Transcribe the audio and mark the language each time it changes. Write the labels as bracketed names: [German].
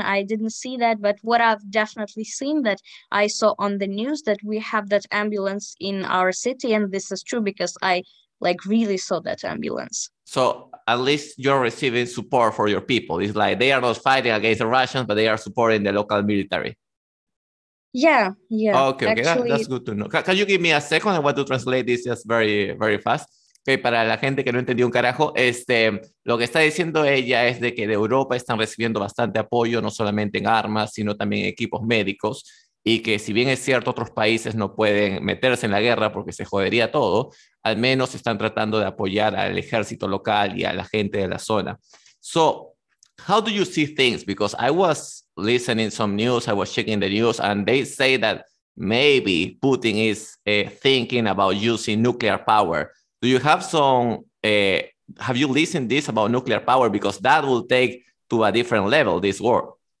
[English] I didn't see that, but what I've definitely seen, that I saw on the news, that we have that ambulance in our city, and this is true because I like really saw that ambulance. So at least you're receiving support for your people. It's like they are not fighting against the Russians, but they are supporting the local military. Yeah. Okay, actually, that's good to know. Can you give me a second? I want to translate this just very, very fast. [Spanish] Okay, para la gente que no entendió un carajo, lo que está diciendo ella es de que de Europa están recibiendo bastante apoyo, no solamente en armas, sino también en equipos médicos, y que si bien es cierto otros países no pueden meterse en la guerra porque se jodería todo, al menos están tratando de apoyar al ejército local y a la gente de la zona. [English] So, how do you see things? Because I was listening some news, I was checking the news, and they say that maybe Putin is thinking about using nuclear power. Do you have some, have you listened to this about nuclear power? Because that will take to a different level, this war.